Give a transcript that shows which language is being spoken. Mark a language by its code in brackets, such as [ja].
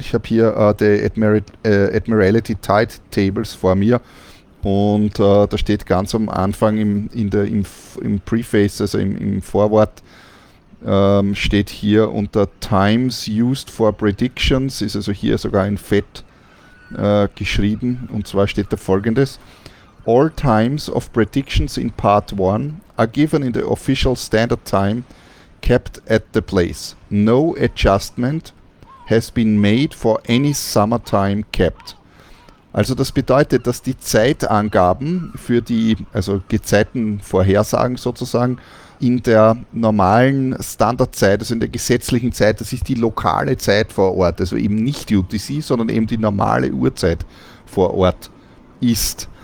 [de] Ich habe hier die Admiralty Tide Tables vor mir und da steht ganz am Anfang im Preface, also im Vorwort, steht hier unter Times Used for Predictions, ist also hier sogar in Fett geschrieben, und zwar steht da folgendes: [en] All times of predictions in Part 1 are given in the official standard time kept at the place. No adjustment has been made for any summer time kept. [de] Also das bedeutet, dass die Zeitangaben für die, also Gezeitenvorhersagen sozusagen, in der normalen Standardzeit, also in der gesetzlichen Zeit, das ist die lokale Zeit vor Ort, also eben nicht UTC, sondern eben die normale Uhrzeit vor Ort ist.